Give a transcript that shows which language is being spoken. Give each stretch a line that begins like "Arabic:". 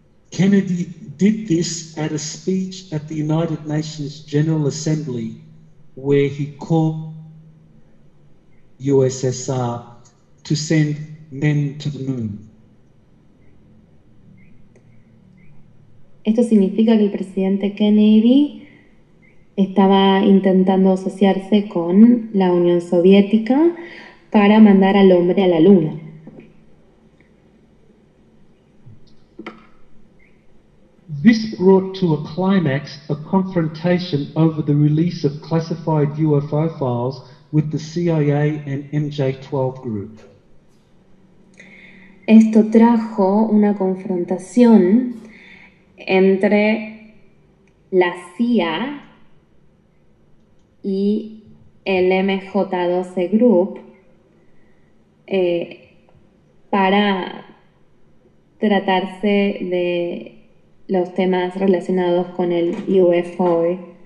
English: Kennedy did this at a speech at the United Nations General Assembly, where he called USSR to send men to the moon.
Spanish: Esto significa que el presidente Kennedy estaba intentando asociarse con la Unión Soviética para mandar al hombre a la luna.
English: This brought to a climax a confrontation over the release of classified UFO files with the CIA and MJ-12 group.
Spanish: Esto trajo una confrontación entre la CIA y el MJ-12 group para tratarse de los temas relacionados con el UFO.